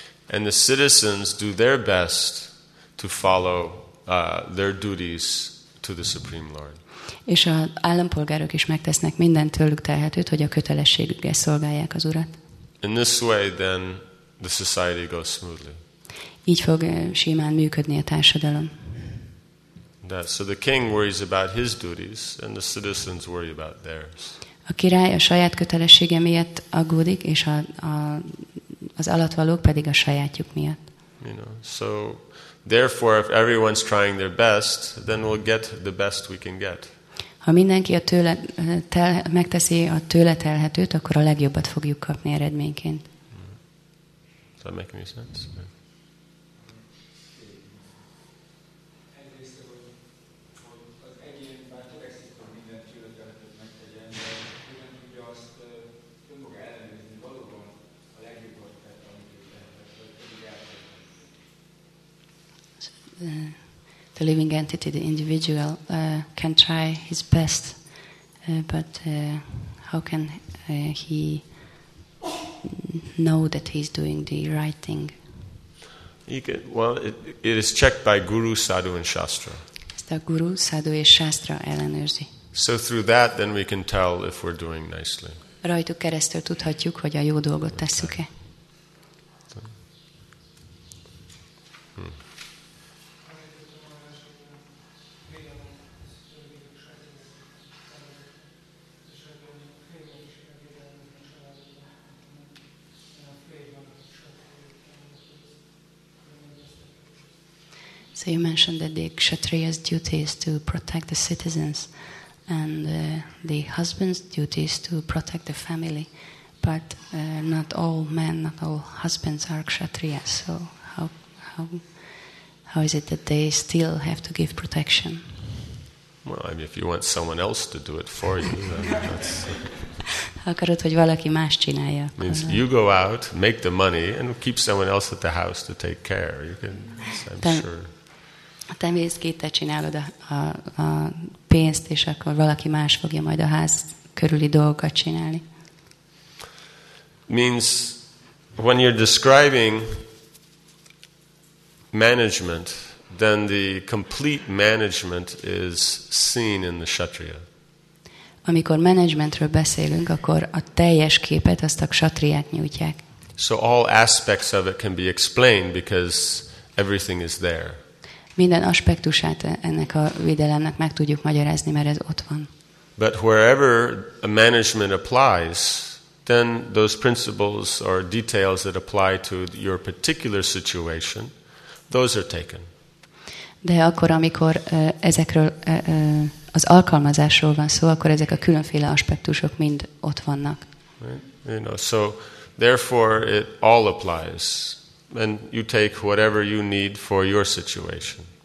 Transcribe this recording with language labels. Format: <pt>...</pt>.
<en>And the citizens do their best to follow their duties to the Supreme Lord.</en> <hu>És az állampolgárok is megtesznek mindent tőlük telhetőt, hogy a kötelességükkel szolgálják az urat.</hu> <en>In this way, then, the society goes smoothly.</en> <hu>Így fog simán működni a társadalom.</hu> <en>So the king worries about his duties, and the citizens worry about theirs.</en> <hu>A király a saját kötelessége miatt aggódik, és az alattvalók pedig a sajátjuk miatt.</hu> <en>You know, so therefore, if everyone's trying their best, then we'll get the best we can get.</en> <hu>Ha mindenki megteszi a tőle telhetőt, akkor a legjobbat fogjuk kapni eredményként.</hu> <en>Does that make any sense? Yeah. the living entity, the individual, can try his best, but how can he know that he's doing the right thing? It is checked by Guru, Sadhu, and Shastra.</en> <hu>Ezt a Guru, Sadhu és Shastra ellenőrzi.</hu> <en>So through that, then we can tell if we're doing nicely.</en> <hu>Rajtuk keresztül tudhatjuk, hogy a jó dolgot tesszük-e.</hu> <en>So you mentioned that the Kshatriya's duty is to protect the citizens, and the husband's duty is to protect the family, but not all men, not all husbands are Kshatriyas. So how is it that they still have to give protection? Well, I mean, if you want someone else to do it for you, then that's...</en> <hu>Akarod, hogy valaki más csinálja.</hu> <en>Means you go out, make the money, and keep someone else at the house to take care. You can, I'm sure...</en> <hu>Te mész ki, te csinálod a pénzt, és akkor valaki más fogja majd a ház körüli dolgokat csinálni.</hu> <en>Means when you're describing management, then the complete management is seen in the kshatriya.</en> <hu>Amikor managementről beszélünk, akkor a teljes képet azt a kshatriák nyújtják.</hu> <en>So all aspects of it can be explained because everything is there.</en> <hu>Minden aspektusát ennek a védelemnek meg tudjuk magyarázni, mert ez ott van.</hu> <en>But wherever a management applies, then those principles or details that apply to your particular situation, those are taken.</en> <hu>De akkor, amikor ezekről az alkalmazásról van szó, akkor ezek a különféle aspektusok mind ott vannak.</hu> <en>Right? You know, so therefore it all applies. And you take whatever you need for your situation.</en>